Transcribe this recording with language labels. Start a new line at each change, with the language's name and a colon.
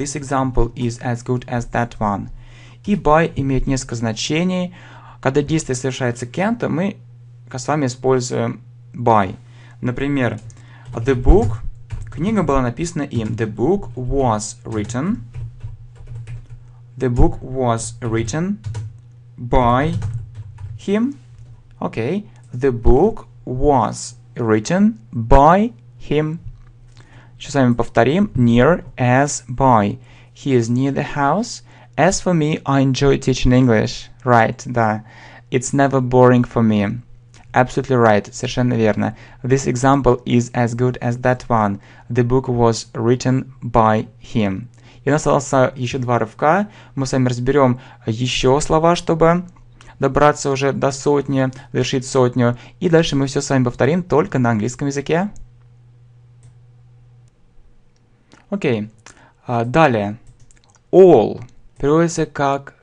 English: This example is as good as that one.
Russian: И by имеет несколько значений. Когда действие совершается кем-то, мы с вами используем by.
English: Например, the book,
Russian: книга была написана им,
English: the book was written. The book was written by him. Okay. The book was written by him.
Russian: Сейчас с вами повторим.
English: Near as by. He is near the house. As for me, I enjoy teaching English. Right, да. It's never boring for me. Absolutely right.
Russian: Совершенно верно.
English: This example is as good as that one. The book was written by him.
Russian: И у нас остался еще два рывка. Мы с вами разберем еще слова, чтобы добраться уже до сотни, завершить сотню. И дальше мы все с вами повторим только на английском языке. Окей. Далее. All переводится как